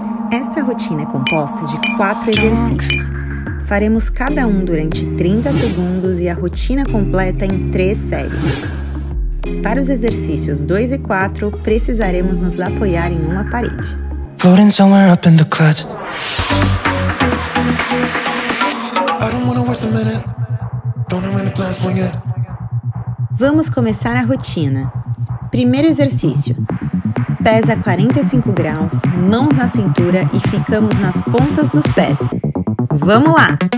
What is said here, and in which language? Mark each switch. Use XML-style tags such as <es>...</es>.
<pt>Esta rotina é composta de 4 exercícios. Faremos cada um durante 30 segundos e a rotina completa em 3 séries. Para os exercícios 2 e 4, precisaremos nos apoiar em uma parede.</pt> <en>Floating somewhere up in the clouds. I don't wanna waste a minute. Don't know any plans for yet.</en> <pt>Vamos começar a rotina. Primeiro exercício. Pés a 45 graus, mãos na cintura e ficamos nas pontas dos pés. Vamos lá!</pt>